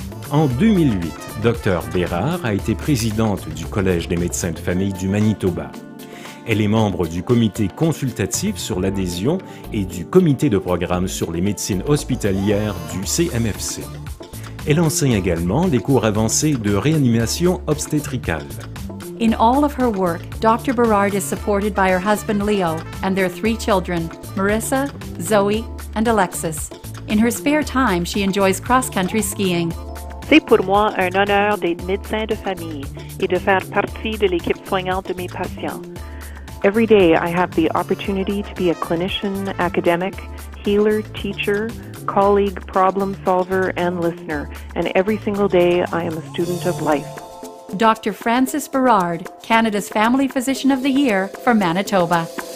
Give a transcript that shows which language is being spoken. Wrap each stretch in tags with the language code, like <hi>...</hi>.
<fr>En 2008, Dr. Berard a été présidente du Collège des médecins de famille du Manitoba. Elle est membre du comité consultatif sur l'adhésion et du comité de programme sur les médecines hospitalières du CMFC. Elle enseigne également les cours avancés de réanimation obstétricale.</fr> <en>In all of her work, Dr. Berard is supported by her husband Leo and their 3 children, Marissa, Zoe, and Alexis. In her spare time, she enjoys cross-country skiing.</en> <fr>C'est pour moi un honneur d'être médecin de famille et de faire partie de l'équipe soignante de mes patients.</fr> <en>Every day, I have the opportunity to be a clinician, academic, healer, teacher, colleague, problem solver, and listener. And every single day, I am a student of life. Dr. Francis Berard, Canada's Family Physician of the Year for Manitoba.</en>